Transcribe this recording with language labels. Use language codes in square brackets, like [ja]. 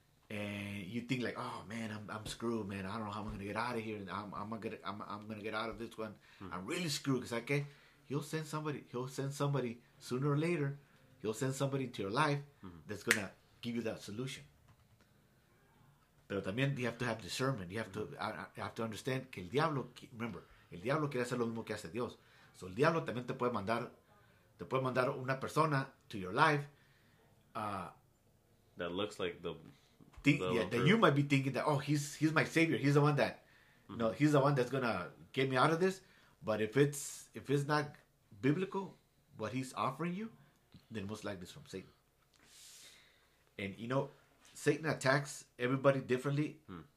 [en] And you think like, oh man, I'm screwed, man. I don't know how I'm gonna get out of here, and I'm gonna get out of this one. Mm-hmm. I'm really screwed because I can't. He'll send somebody sooner or later. He'll send somebody into your life mm-hmm. that's gonna give you that solution. [es] Pero también [en] you have to have discernment. You have mm-hmm. to have to understand [es] que el diablo quiere hacer lo mismo que hace Dios. So el diablo también te puede mandar una persona [en] to your life. That looks like the. Then you might be thinking that he's my savior. He's the one that, mm-hmm. no, he's the one that's gonna get me out of this. But if it's not biblical, what he's offering you, then most likely it's from Satan. And you know, Satan attacks everybody differently, mm-hmm.